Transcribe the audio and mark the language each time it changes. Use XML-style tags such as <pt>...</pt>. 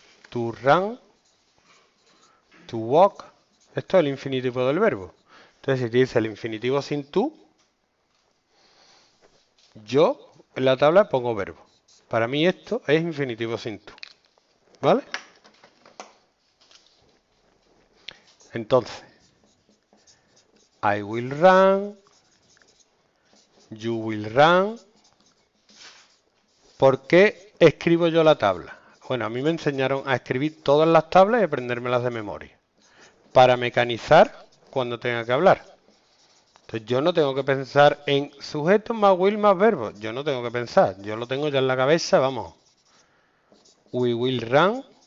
<en>To run, to walk.</en> <es>Esto es el infinitivo del verbo. Entonces, si te dice el infinitivo sin tú, yo en la tabla pongo verbo. Para mí esto es infinitivo sin tú. ¿Vale?</es> <en>Entonces, I will run, you will run.</en> <es>¿Por qué escribo yo la tabla? Bueno, a mí me enseñaron a escribir todas las tablas y aprendérmelas de memoria. Para mecanizar cuando tenga que hablar. Entonces yo no tengo que pensar en sujeto más will más verbo. Yo no tengo que pensar. Yo lo tengo ya en la cabeza, vamos.</es> <en>We will run.</en>